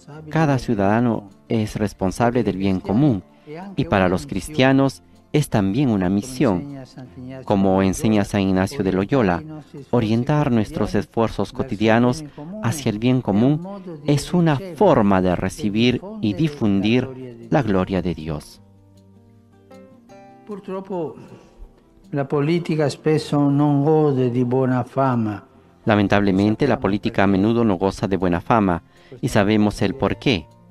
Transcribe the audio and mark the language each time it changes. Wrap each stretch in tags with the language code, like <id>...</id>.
<es>Cada ciudadano es responsable del bien común, y para los cristianos es también una misión, como enseña San Ignacio de Loyola. Orientar nuestros esfuerzos cotidianos hacia el bien común es una forma de recibir y difundir la gloria de Dios.</es> <it>La política spesso non gode di buona fama.</it> <es>Lamentablemente, la política a menudo no goza de buena fama, y sabemos el porqué.</es>